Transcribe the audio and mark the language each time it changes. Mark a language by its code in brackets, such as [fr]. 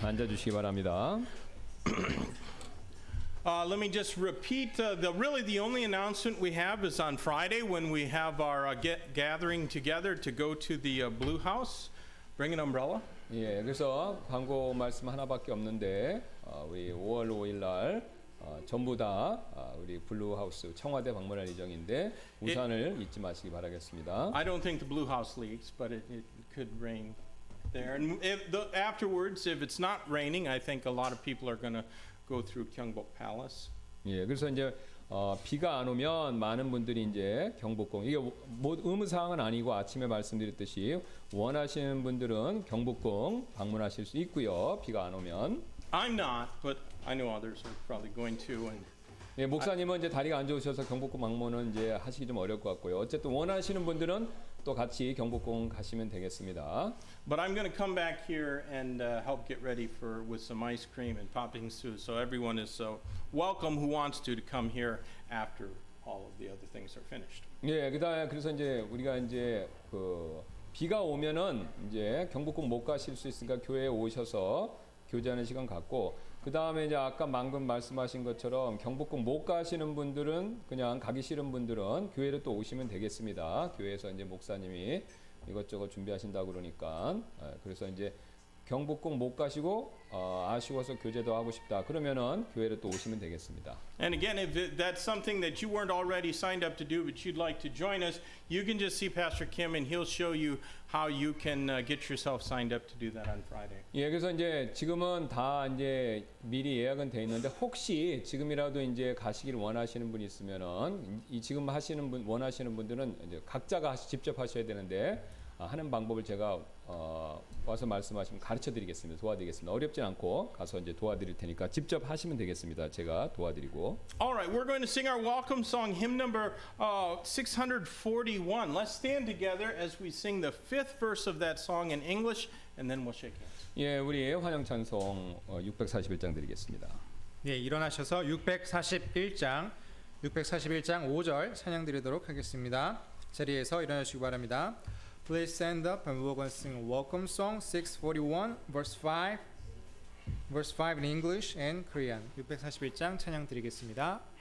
[en] Let me just repeat, the only announcement we have is on Friday when we have our gathering together to go to the Blue House. Bring an umbrella. [ko] 예, 그래서 광고 말씀 하나밖에 없는데 우리 5월 5일 날 전부 다 우리 블루하우스 청와대 방문할 예정인데 우산을 잊지 마시기 바라겠습니다. [en] I don't think the Blue House leaks, but it could rain. There and if afterwards, if it's not raining, I think a lot of people are going to go through Gyeongbok Palace. [ko] 예, 그래서 이제 비가 안 오면 많은 분들이 이제 경복궁 이게 의무 사항은 아니고 아침에 말씀드렸듯이 원하시는 분들은 경복궁 방문하실 수 있고요. 비가 안 오면. [en] I'm not, but I know others are probably going to. And [ko] 예, 목사님은 이제 다리가 안 좋으셔서 경복궁 방문은 이제 하시기 좀 어려울 것 같고요. 어쨌든 원하시는 분들은 또 같이 경복궁 가시면 되겠습니다. [en] But I'm going to come back here and help get ready for with some ice cream and popping soup. So everyone is so welcome who wants to come here after all of the other things are finished. [ko] 예, 그다음에 그래서 이제 우리가 이제 그 비가 오면은 이제 경복궁 못 가실 수 있으니까 교회에 오셔서 교제하는 시간 갖고 그다음에 이제 아까 방금 말씀하신 것처럼 경복궁 못 가시는 분들은 그냥 가기 싫은 분들은 교회를 또 오시면 되겠습니다. 교회에서 이제 목사님이 이것저것 준비하신다고 그러니까 그래서 이제 경복궁 못 가시고 아쉬워서 교제도 하고 싶다. 그러면은 교회를 또 오시면 되겠습니다. [en] And again, if that's something that you weren't already signed up to do, but you'd like to join us, you can just see Pastor Kim, and he'll show you how you can get yourself signed up to do that on Friday. [ko] 예, 그래서 이제 지금은 다 이제 미리 예약은 돼 있는데 혹시 지금이라도 이제 가시길 원하시는 분 있으면은 이 지금 하시는 분 원하시는 분들은 이제 각자가 직접 하셔야 되는데. 하는 방법을 제가 와서 말씀하시면 가르쳐 드리겠습니다. 도와드리겠습니다. 어렵진 않고 가서 이제 도와드릴 테니까 직접 하시면 되겠습니다. 제가 도와드리고. [en] All right, we're going to sing our welcome song, hymn number 641. Let's stand together as we sing the fifth verse of that song in English and then we'll shake hands. [ko] 예, 우리 환영 찬송 641장 드리겠습니다. 예, 일어나셔서 641장 641장 5절 찬양 드리도록 하겠습니다. 자리에서 일어나시기 바랍니다. [en] Please stand up and we're going to sing a welcome song, 641, verse 5 in English and Korean. [ko] 641장 찬양 드리겠습니다.